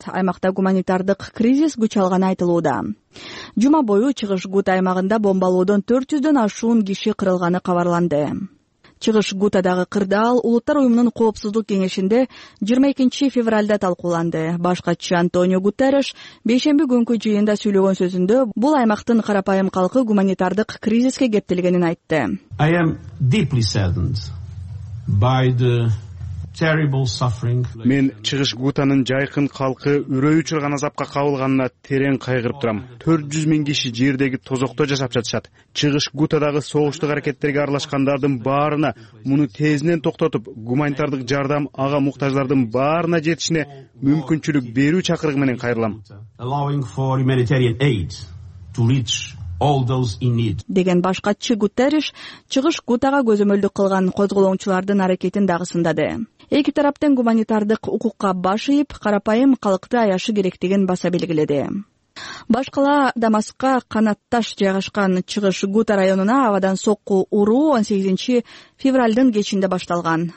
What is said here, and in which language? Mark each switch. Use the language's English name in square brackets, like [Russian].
[Kyrgyz] Аймакта гуманитардык кризис күч алганы айтылууда. Жума бою чыгыш Гут аймагында бомбалоодон 400-дөн ашуун киши кырылганы кабарланды. Чыгыш Гутадагы кырдаал Улуттар уюмунун коопсуздук кеңешинде 22 февралда талкууланды. Баш катчы Антонио Гутерреш бейшемби күнкү жыйында сүйлөгөн сөзүндө бул аймактын карапайым калкы гуманитардык кризиске кептелгенин айтты. [English] I am deeply saddened by the terrible suffering. [Kyrgyz] Мен чыгыш Гутанын жайкын калкы үрөй учурган азапка кабылганына терең кайгырып турам. 400 000 киши жердеги тозокто жашап жатышат. Чыгыш Гутадагы согуштук аракеттерге аралашкандардын баарына муну тезинен токтотуп, гуманитардык жардам ага муктаждардын баарына жетишине мүмкүнчүлүк берүү чакырыгы менен кайрылам. [English] Allowing for humanitarian aid to reach all those in need. [Kyrgyz] Деген баш катчы Гутерреш чыгыш Гутага көзөмөлдүк кылган козголоңчулардын аракетин дагысындады. Эки тарап тең гуманитардык укукка баш ийип, карапайым калкты аяшы керектигин баса белгиледи. Баш кала Дамаскка канатташ жайгашкан чыгыш Гут районуна абадан сокку уруу 18 февралдын кечинде башталган.